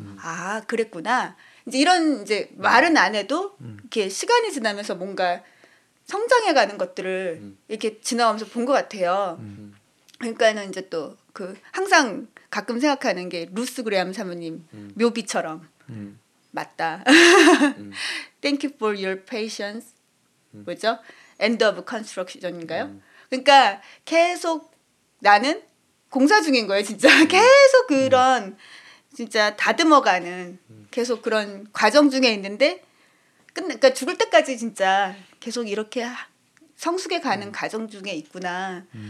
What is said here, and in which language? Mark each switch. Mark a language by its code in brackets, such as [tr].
[ko] 아 그랬구나 이제 이런 이제 말은 안 해도 이렇게 시간이 지나면서 뭔가 성장해가는 것들을 이렇게 지나가면서 본 것 같아요. 그러니까는 이제 또 그 항상 가끔 생각하는 게 루스 그레엄 사모님 묘비처럼 맞다. [en] Thank you for your patience. [ko] 뭐죠? [en] End of construction인가요? [ko] 그러니까 계속 나는 공사 중인 거예요, 진짜. 계속 그런 진짜 다듬어가는 계속 그런 과정 중에 있는데 그러니까 죽을 때까지 진짜 계속 이렇게 성숙해가는 과정 중에 있구나.